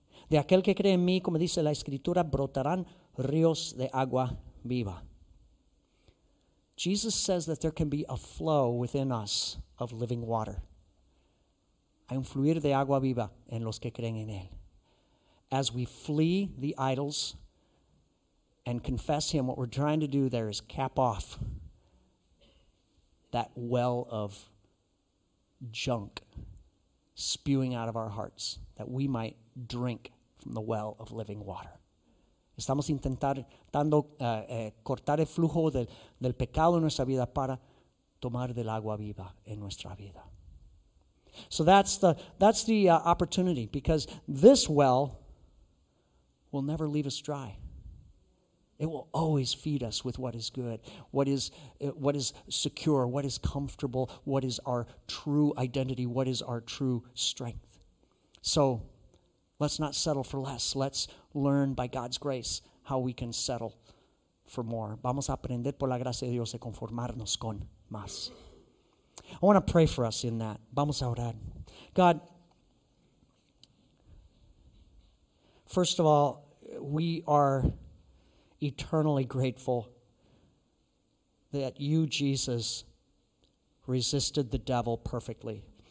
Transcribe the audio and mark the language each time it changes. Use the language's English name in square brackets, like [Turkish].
[Spanish] De aquel que cree en mí, como dice la Escritura, brotarán ríos de agua viva. [English] Jesus says that there can be a flow within us of living water. [Spanish] Hay un fluir de agua viva en los que creen en Él. [English] As we flee the idols and confess Him, what we're trying to do there is cap off that well of junk spewing out of our hearts that we might drink from the well of living water. [Spanish] Estamos intentando cortar el flujo del pecado en nuestra vida para tomar del agua viva en nuestra vida. [English] So that's the opportunity, because this well will never leave us dry. It will always feed us with what is good, what is secure, what is comfortable, what is our true identity, what is our true strength. So let's not settle for less. Let's learn by God's grace how we can settle for more. [Spanish] Vamos a aprender por la gracia de Dios a conformarnos con más. [English] I want to pray for us in that. [Spanish] Vamos a orar. [English] God, first of all, we are eternally grateful that you, Jesus, resisted the devil perfectly.